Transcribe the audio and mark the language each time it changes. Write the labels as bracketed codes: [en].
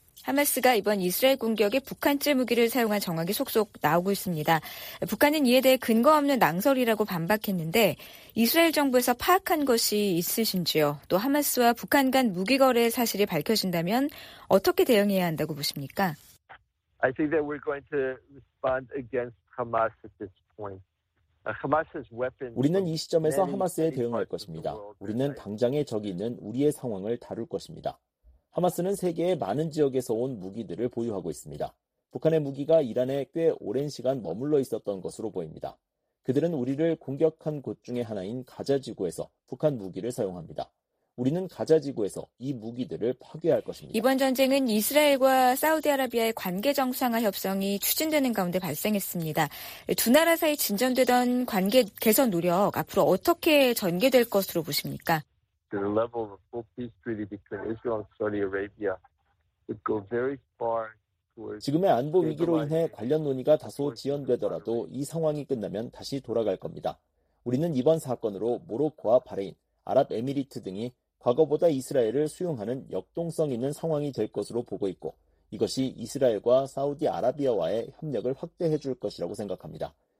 [ko] 하마스가 이번 이스라엘 공격에 북한제 무기를 사용한 정황이 속속 나오고 있습니다. 북한은 이에 대해 근거 없는 낭설이라고 반박했는데 이스라엘 정부에서 파악한 것이 있으신지요? 또 하마스와 북한 간 무기 거래 사실이 밝혀진다면 어떻게 대응해야 한다고 보십니까? [en] I think that we're going to respond against Hamas at this point. [ko] 우리는 이 시점에서 하마스에 대응할 것입니다. 우리는 당장의 적이 있는 우리의 상황을 다룰 것입니다. 하마스는 세계의 많은 지역에서 온 무기들을 보유하고 있습니다. 북한의 무기가 이란에 꽤 오랜 시간 머물러 있었던 것으로 보입니다. 그들은 우리를 공격한 곳 중에 하나인 가자지구에서 북한 무기를 사용합니다. 우리는 가자지구에서 이 무기들을 파괴할 것입니다. 이번 전쟁은 이스라엘과 사우디아라비아의 관계 정상화 협상이 추진되는 가운데 발생했습니다. 두 나라 사이 진전되던 관계 개선 노력 앞으로 어떻게 전개될 것으로 보십니까? [en] The level of a full peace treaty between Israel and Saudi Arabia would go very far towards [ko] 지금의 안보 위기로 인해 관련 논의가 다소 지연되더라도 이 상황이 끝나면 다시 돌아갈 겁니다. 우리는 이번 사건으로 모로코와 바레인, 아랍에미리트 등이 과거보다 이스라엘을 수용하는 역동성 있는 상황이 될 것으로 보고 있고 이것이 이스라엘과 사우디아라비아와의 협력을 확대해 줄 것이라고 생각합니다.